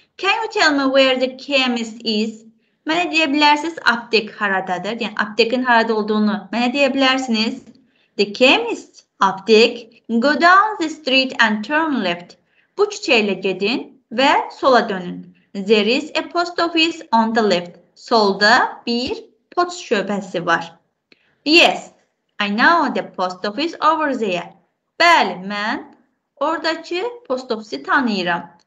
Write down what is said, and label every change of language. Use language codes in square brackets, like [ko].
[en] Can you tell me where the chemist is? [az] Mənə deyə bilərsiniz, aptek haradadır? Yəni, aptekin harada olduğunu mənə deyə bilərsiniz. [en] The chemist, aptek, go down the street and turn left. [az] Bu küçəyə gedin və sola dönün. [en] There is a post office on the left. [az] Solda bir poçt şöbəsi var. [en] Yes, I know the post office over there. [az] Bəli, mən oradakı post office tanıyıram.